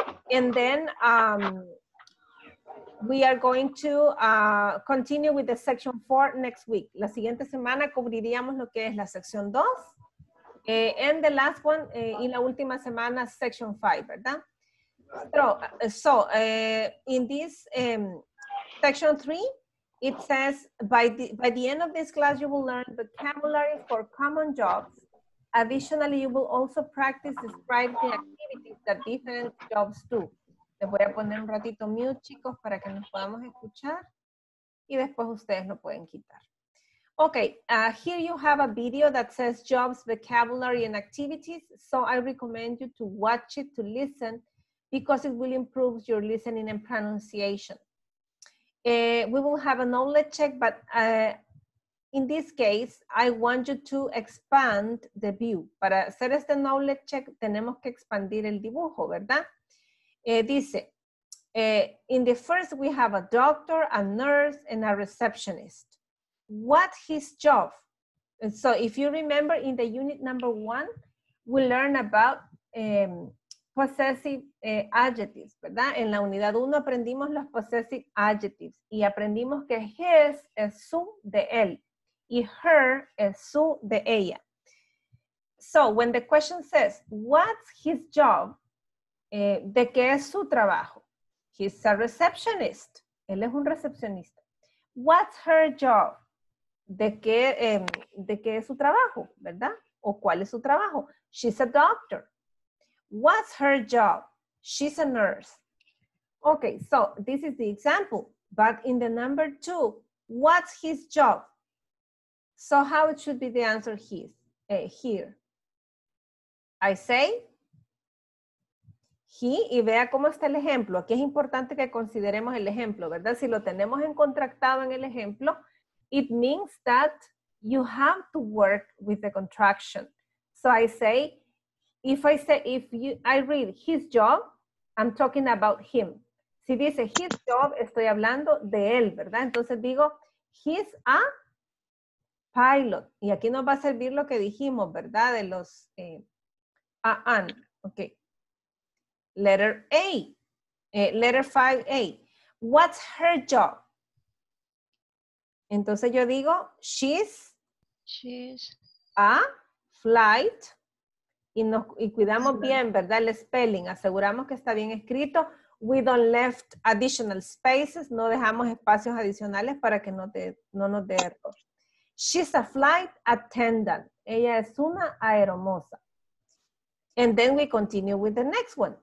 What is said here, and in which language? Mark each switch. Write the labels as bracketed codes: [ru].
[en] And then we are going to continue with the section 4 next week. [es] La siguiente semana cubriríamos lo que es la sección 2. [en] And the last one, [es] y la última semana, [en] section 5, [es] ¿verdad? [en] So in this section 3, it says, by the end of this class, you will learn vocabulary for common jobs. Additionally, you will also practice describing the activities that different jobs do. [es] Les voy a poner un ratito mute, chicos, para que nos podamos escuchar. Y después ustedes lo pueden quitar. [en] Okay, here you have a video that says jobs, vocabulary, and activities. So I recommend you to watch it, to listen, because it will improve your listening and pronunciation. We will have a knowledge check, but in this case, I want you to expand the view. [es] Para hacer este knowledge check, tenemos que expandir el dibujo, ¿verdad? [en] Dice, in the first, we have a doctor, a nurse, and a receptionist. What his job? And so if you remember in the unit number 1, we learn about possessive adjectives, [es] ¿verdad? En la unidad 1 aprendimos los possessive adjectives y aprendimos que his es su de él y her es su de ella. [en] So when the question says, what's his job? [es] ¿De qué es su trabajo? [en] He's a receptionist. [es] Él es un recepcionista. [en] What's her job? [es] De qué es su trabajo, ¿verdad? ¿O cuál es su trabajo? [en] She's a doctor. What's her job? She's a nurse. Okay, so this is the example. But in the number 2, what's his job? So how it should be the answer here? I say, [es] he, y vea cómo está el ejemplo. Aquí es importante que consideremos el ejemplo, ¿verdad? Si lo tenemos en contractado en el ejemplo, [en] it means that you have to work with the contraction. So I say, I read his job, I'm talking about him. [es] Si dice his job, estoy hablando de él, ¿verdad? Entonces digo, [en] he's a pilot. [es] Y aquí nos va a servir lo que dijimos, ¿verdad? De los an. Ok. [en] Letter A. Letter 5A. What's her job? [es] Entonces yo digo, [en] she's a flight. [es] Y cuidamos bien, ¿verdad? El spelling. Aseguramos que está bien escrito. [en] We don't left additional spaces. [es] No dejamos espacios adicionales para que no nos dé error. [en] She's a flight attendant. [es] Ella es una aeromoza. [en] And then we continue with the next one.